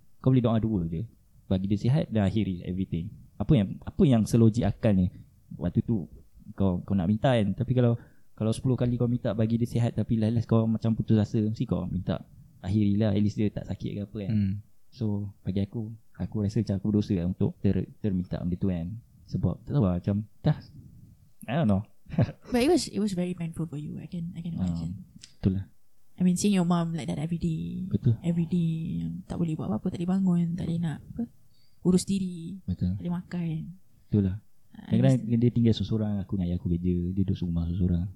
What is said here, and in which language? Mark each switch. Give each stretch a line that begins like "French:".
Malay: Kau boleh doa dua je, bagi dia sihat dan akhiri everything. Apa yang selogik akal ni waktu tu kau nak minta kan. Tapi kalau 10 kali kau minta bagi dia sihat, tapi lelah kau macam putus asa, mesti kau minta akhirilah, at least dia tak sakit ke apa kan. So bagi aku rasa macam aku berdosa kan untuk terminta benda tu kan. Sebab tak tahu lah, macam dah,
English: I don't know. But it was very painful for you. I can imagine.
Malay: Itulah,
English: I mean, seeing your mom like that every day.
Malay: Betul. Every day tak boleh buat apa-apa, tak boleh bangun, tak boleh nak apa, urus diri. Betul. Tak boleh makan. Itulah. Kadang-kadang dia tinggal seorang, aku dengan ayah aku kerja, dia duduk rumah seorang.